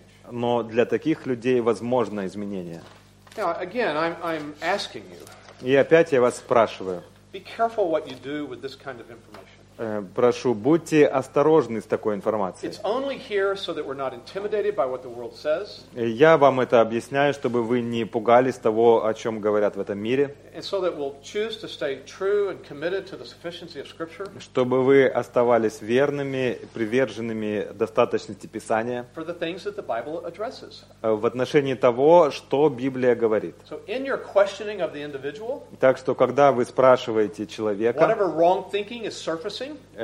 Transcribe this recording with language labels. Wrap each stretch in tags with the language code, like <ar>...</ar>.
<ru>Но для таких людей возможно изменение.</ru> <en>Now, again, I'm asking you,</en> <ru>и опять я вас спрашиваю.</ru> <en>Be careful what you do with this kind of information.</en> <ru>Прошу, будьте осторожны с такой информацией.</ru> <en>It's only here so that we're not intimidated by what the world says.</en> <ru>Я вам это объясняю, чтобы вы не пугались того, о чем говорят в этом мире.</ru> <en>And so that we'll choose to stay true and committed to the sufficiency of Scripture.</en> <ru>Чтобы вы оставались верными, приверженными достаточности Писания.</ru> <en>For the things that the Bible addresses.</en> <ru>В отношении того, что Библия говорит.</ru> <en>So in your questioning of the individual.</en> <ru>Так что когда вы спрашиваете человека.</ru> <en>Whatever wrong thinking is surfacing.</en>